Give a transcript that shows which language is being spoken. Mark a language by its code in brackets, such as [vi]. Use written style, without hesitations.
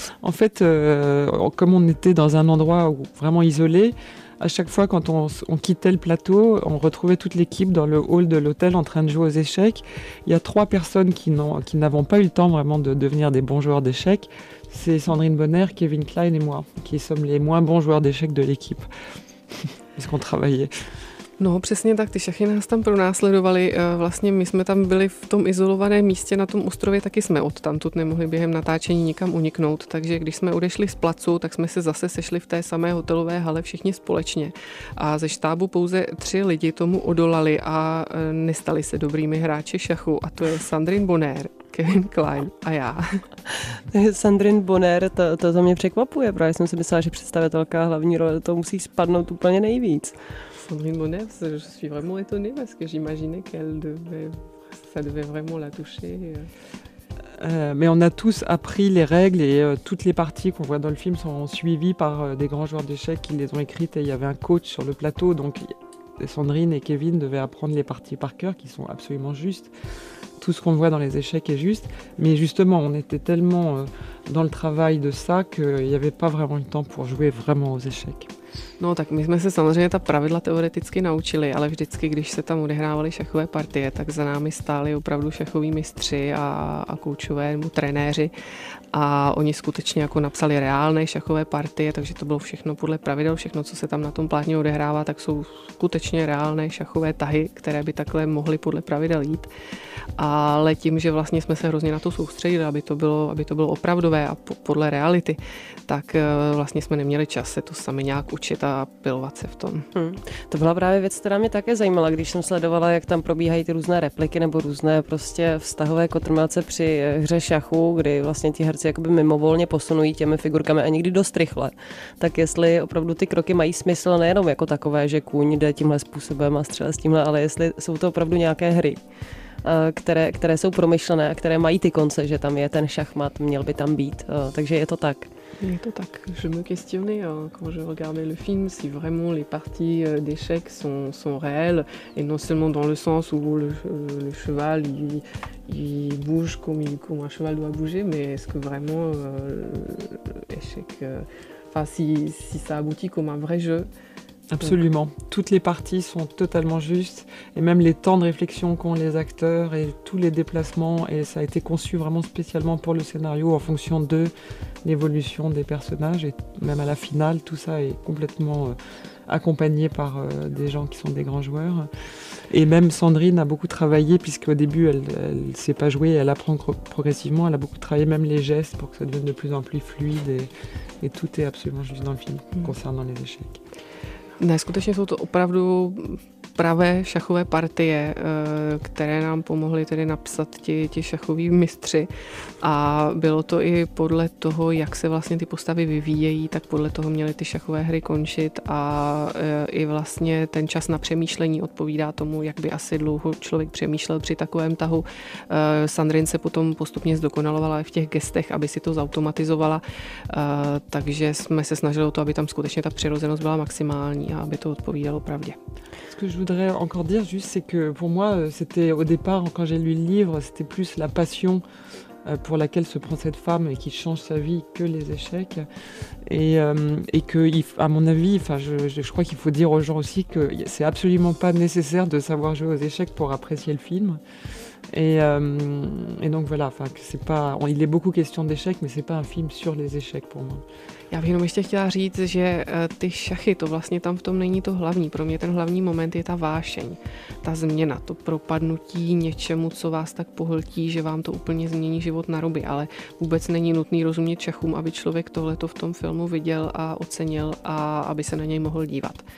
[fr] En fait, comme on était dans un endroit où, vraiment isolé, à chaque fois quand on quittait le plateau, on retrouvait toute l'équipe dans le hall de l'hôtel en train de jouer aux échecs. Il y a trois personnes qui n'avons pas eu le temps vraiment de devenir des bons joueurs d'échecs. C'est Sandrine Bonner, Kevin Klein et moi, qui sommes les moins bons joueurs d'échecs de l'équipe, parce qu'on travaillait. [cs] No, přesně tak, ty šachy nás tam pronásledovali. Vlastně my jsme tam byli v tom izolovaném místě na tom ostrově, taky jsme odtamtud nemohli během natáčení nikam uniknout, takže když jsme odešli z placu, tak jsme se zase sešli v té samé hotelové hale všichni společně. A ze štábu pouze tři lidi tomu odolali a nestali se dobrými hráči šachu, a to je Sandrine Bonner, Kevin Klein a já. Sandrine Bonner, to za mě překvapuje, protože jsem si myslela, že představitelka hlavní role, to musí spadnout úplně nejvíc. [fr] Sandrine Bonner, je suis vraiment étonnée parce que j'imaginais qu'elle devait, ça devait vraiment la toucher. Mais on a tous appris les règles et toutes les parties qu'on voit dans le film sont suivies par des grands joueurs d'échecs qui les ont écrites et il y avait un coach sur le plateau, donc Sandrine et Kevin devaient apprendre les parties par cœur qui sont absolument justes. Tout ce qu'on voit dans les échecs est juste, mais justement on était tellement dans le travail de ça qu'il n'y avait pas vraiment le temps pour jouer vraiment aux échecs. [cs] No tak my jsme se samozřejmě ta pravidla teoreticky naučili, ale vždycky, když se tam odehrávaly šachové partie, tak za námi stály opravdu šachoví mistři a koučové nebo trenéři a oni skutečně jako napsali reálné šachové partie, takže to bylo všechno podle pravidel, všechno, co se tam na tom plátně odehrává, tak jsou skutečně reálné šachové tahy, které by takhle mohly podle pravidel jít. Ale tím, že vlastně jsme se hrozně na to soustředili, aby to bylo opravdové a podle reality, tak vlastně jsme neměli čas se to sami nějak učit a pilovat se v tom. To byla právě věc, která mě také zajímala, když jsem sledovala, jak tam probíhají ty různé repliky nebo různé prostě vztahové kotrmelce při hře šachu, kdy vlastně ti herci jakoby mimovolně posunují těmi figurkami a někdy dost rychle. Tak jestli opravdu ty kroky mají smysl nejenom jako takové, že kůň jde tímhle způsobem a střele s tímhle, ale jestli jsou to opravdu nějaké hry, které jsou promyšlené a které mají ty konce, že tam je ten šachmat, měl by tam být. Takže je to tak. Je to tak. [fr] Je me questionnais quand je regardais le film si vraiment les parties d'échecs sont réelles et non seulement dans le sens où le cheval il bouge comme un cheval doit bouger, mais est-ce que vraiment l'échec, si ça aboutit comme un vrai jeu. Absolument. Toutes les parties sont totalement justes et même les temps de réflexion qu'ont les acteurs et tous les déplacements, et ça a été conçu vraiment spécialement pour le scénario en fonction de l'évolution des personnages et même à la finale, tout ça est complètement accompagné par des gens qui sont des grands joueurs. Et même Sandrine a beaucoup travaillé, puisqu'au début elle ne sait pas jouer, elle apprend progressivement, elle a beaucoup travaillé même les gestes pour que ça devienne de plus en plus fluide et tout est absolument juste dans le film concernant les échecs. [cs] Ne, skutečně jsou to opravdu pravé šachové partie, které nám pomohly tedy napsat ti šachoví mistři. A bylo to i podle toho, jak se vlastně ty postavy vyvíjejí, tak podle toho měly ty šachové hry končit. A i vlastně ten čas na přemýšlení odpovídá tomu, jak by asi dlouho člověk přemýšlel při takovém tahu. Sandrine se potom postupně zdokonalovala i v těch gestech, aby si to zautomatizovala. Takže jsme se snažili o to, aby tam skutečně ta přirozenost byla maximální a aby to odpovídalo pravdě. [fr] Ce que je voudrais encore dire juste, c'est que pour moi, c'était au départ, quand j'ai lu le livre, c'était plus la passion pour laquelle se prend cette femme et qui change sa vie que les échecs. Et que, à mon avis, enfin, je crois qu'il faut dire aux gens aussi que c'est absolument pas nécessaire de savoir jouer aux échecs pour apprécier le film. Et donc voilà, enfin, c'est pas, on, il est beaucoup question d'échecs, mais c'est pas un film sur les échecs pour moi. [cs] Já bych jenom ještě chtěla říct, že ty šachy, to vlastně tam v tom není to hlavní. Pro mě ten hlavní moment je ta vášeň, ta změna, to propadnutí něčemu, co vás tak pohltí, že vám to úplně změní život na ruby. Ale vůbec není nutný rozumět šachům, aby člověk tohleto v tom filmu viděl a ocenil a aby se na něj mohl dívat.